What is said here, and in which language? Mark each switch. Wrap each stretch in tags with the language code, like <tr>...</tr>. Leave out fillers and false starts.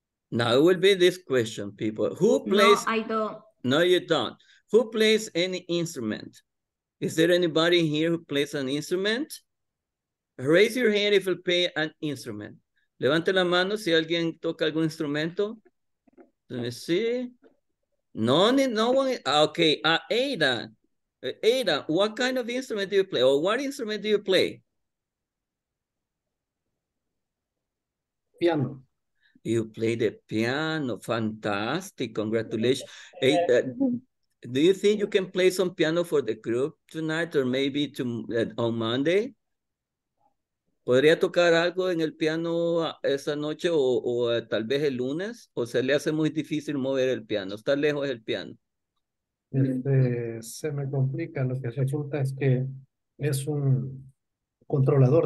<en>Now it will be this question, people. Who plays? No, I don't. No, you don't. Who plays any instrument? Is there anybody here who plays an instrument? Raise your hand if you play an instrument.</en> <es>Levante la mano si alguien toca algún instrumento.</es> <en>Let me see. No one. Okay, Ada, what kind of instrument do you play? Or what instrument do you play? Piano. You play the piano. Fantastic. Congratulations. Ada, do you think you can play some piano for the group tonight or maybe on Monday?</en> <es>¿Podría tocar algo en el piano esa noche o tal vez el lunes? ¿O se le hace muy difícil mover el piano? ¿Está lejos el piano? Se me complica. Lo que resulta es que es un controlador.</es>